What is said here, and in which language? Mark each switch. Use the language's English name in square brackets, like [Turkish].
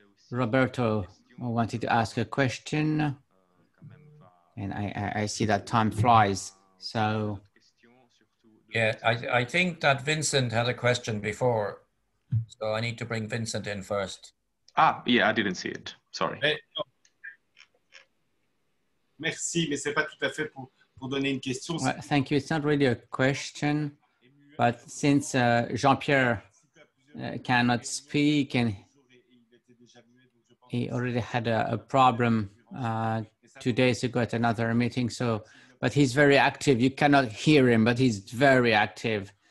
[English] Roberto wanted to ask a question. And I see that time flies, so. Yeah, I think that Vincent had a question before, so I need to bring Vincent in first. Ah, yeah, I didn't see it. Sorry. [French] Merci, mais c'est pas tout à fait pour donner une question. [English] Well, thank you. It's not really a question, but since Jean-Pierre cannot speak and he already had a problem 2 days ago at another meeting, so. But he's very active. You cannot hear him, but he's very active.